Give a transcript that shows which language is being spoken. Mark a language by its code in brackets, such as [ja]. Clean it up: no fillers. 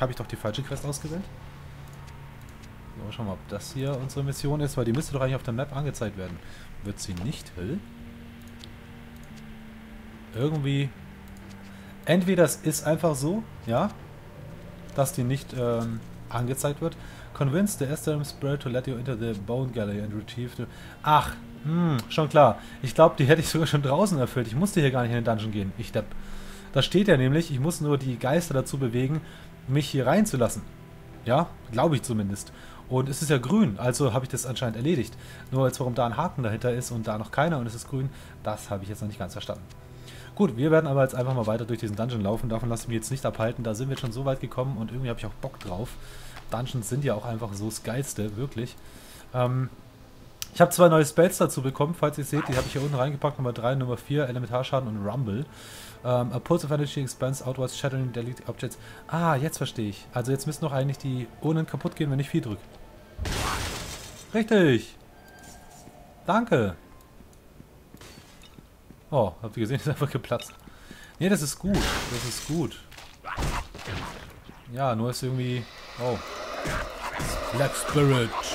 [de] Habe ich doch die falsche Quest ausgewählt? So, schauen wir mal, ob das hier unsere Mission ist, weil die müsste doch eigentlich auf der Map angezeigt werden. Wird sie nicht, hell? Irgendwie. Entweder es ist einfach so, ja, dass die nicht angezeigt wird. [en] Convince the Aetherium Spirit to let you into the Bone Gallery and retrieve the... [de] Ach, schon klar. Ich glaube, die hätte ich sogar schon draußen erfüllt. Ich musste hier gar nicht in den Dungeon gehen. Ich depp. Da steht ja nämlich, ich muss nur die Geister dazu bewegen, mich hier reinzulassen. Ja, glaube ich zumindest. Und es ist ja grün, also habe ich das anscheinend erledigt. Nur als warum da ein Haken dahinter ist und da noch keiner und es ist grün, das habe ich jetzt noch nicht ganz verstanden. Gut, wir werden aber jetzt einfach mal weiter durch diesen Dungeon laufen. Davon lasse ich mich jetzt nicht abhalten. Da sind wir schon so weit gekommen und irgendwie habe ich auch Bock drauf. Dungeons sind ja auch einfach so das Geilste, wirklich. Ich habe zwei neue Spells dazu bekommen, falls ihr seht. Die habe ich hier unten reingepackt. Nummer 3, Nummer 4, Elementarschaden und Rumble. [en] A Pulse of Energy expands outwards, shattering delete objects. [de] Ah, jetzt verstehe ich. Also jetzt müssen doch eigentlich die Urnen kaputt gehen, wenn ich viel drücke. Richtig. Danke. Oh, habt ihr gesehen? Ist einfach geplatzt. Nee, das ist gut. Das ist gut. Ja, nur ist irgendwie... Oh. Black Spirit.